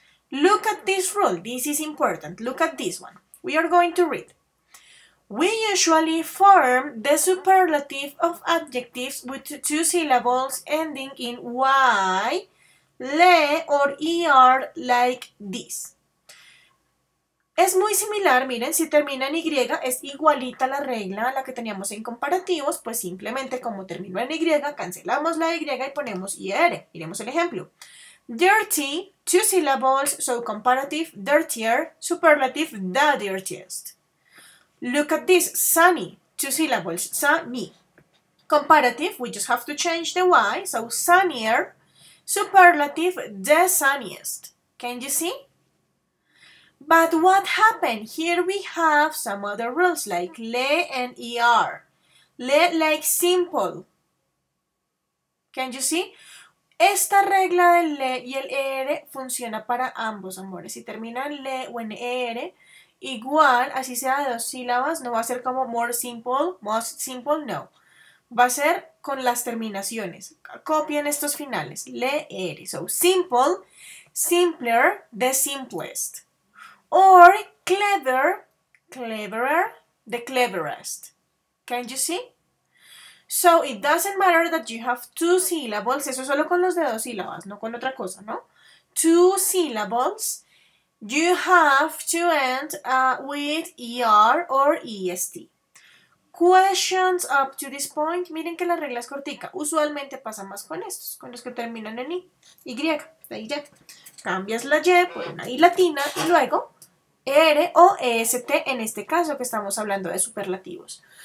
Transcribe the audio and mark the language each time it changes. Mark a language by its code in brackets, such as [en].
[en] Look at this rule. This is important. Look at this one. We are going to read. We usually form the superlative of adjectives with two syllables ending in Y, LE, or ER like this. [es] Es muy similar, miren, si termina en Y es igualita la regla a la que teníamos en comparativos, pues simplemente como terminó en Y, cancelamos la Y y ponemos IR. Miremos el ejemplo. [en] Dirty, two syllables, so comparative, dirtier, superlative, the dirtiest. Look at this, sunny, two syllables, sunny. Comparative, we just have to change the Y, so sunnier, superlative, the sunniest. Can you see? But what happened? Here we have some other rules like le and er. Le like simple. Can you see? [es] Esta regla del le y el er funciona para ambos, amores. Si termina en le o en er, igual, así sea de dos sílabas, no va a ser como more simple, most simple, no. Va a ser con las terminaciones. Copien estos finales. Le, er. [en] So simple, simpler, the simplest. Or clever, cleverer, the cleverest. Can you see? So it doesn't matter that you have two syllables. [es] Eso solo con los de dos sílabas, no con otra cosa, ¿no? [en] Two syllables. You have to end with ER or EST. Questions up to this point. [es] Miren que la regla es cortica. Usualmente pasa más con estos, con los que terminan en I. Y, la Y. Cambias la Y por una I latina y luego R o EST en este caso que estamos hablando de superlativos.